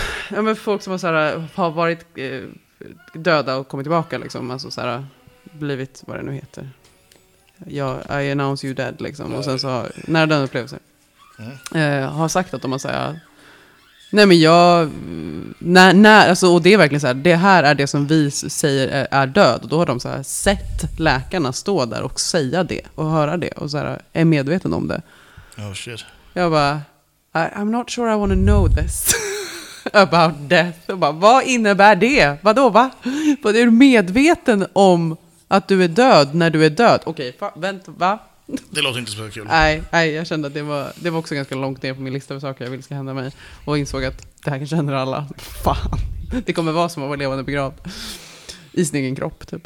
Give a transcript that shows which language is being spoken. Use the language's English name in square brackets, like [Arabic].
[Swedish] Ja men folk som har varit döda och kommit tillbaka liksom alltså så här blivit vad det nu heter. Ja, [English] I announce you dead [Swedish] liksom och sen så nära döden upplevelser. har sagt att de har sagt, nej men jag, när alltså, och det är verkligen så här, det här är det som vi säger är död, och då har de så här sett läkarna stå där och säga det och höra det och så här, är medveten om det. [English] Oh shit. [Swedish] Jag bara, [English] I'm not sure I want to know this about death. [Swedish] Jag bara, vad innebär det? Vadå, va? Är du medveten om att du är död när du är död? Okej, vänta, va? Det låter inte så kul. Nej, jag kände att det var också ganska långt ner på min lista av saker jag vill ska hända mig. Och insåg att det här kanske händer alla. Fan, det kommer vara som att vara levande begravd i sin egen kropp, typ.